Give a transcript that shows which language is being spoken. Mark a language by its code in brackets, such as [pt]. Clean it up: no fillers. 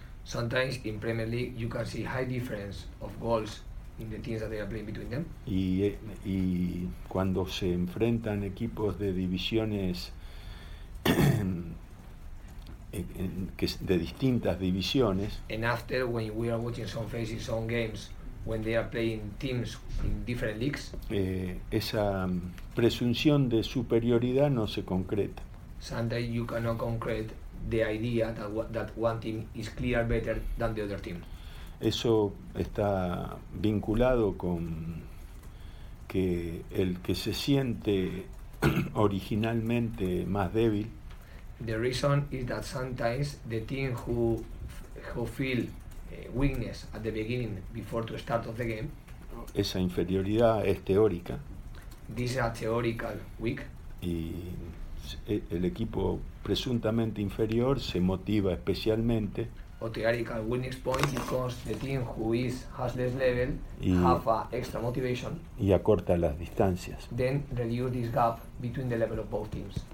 [en] Sometimes in Premier League you can see high difference of goals in the teams that they are playing between them. [es] Y cuando se enfrentan equipos de divisiones de distintas divisiones. [en] And after when we are watching some faces, some games, when they are playing teams in different leagues, [es] Esa presunción de superioridad no se concreta. [en] sometimes you cannot concrete the idea that one team is clear better than the other team. [es] Eso está vinculado con que el que se siente originalmente más débil [en] The reason is that sometimes the team who feel weakness at the beginning, before to start of the game, [es] esa inferioridad es teórica. [en] This is a theoretical week. [es] Y el equipo presuntamente inferior se motiva especialmente. [en] A theoretical winning point because the team who is has less level [es] y, [en] have a extra motivation. [es] Y acorta las distancias. [en] Then reduce this gap between the level of both teams.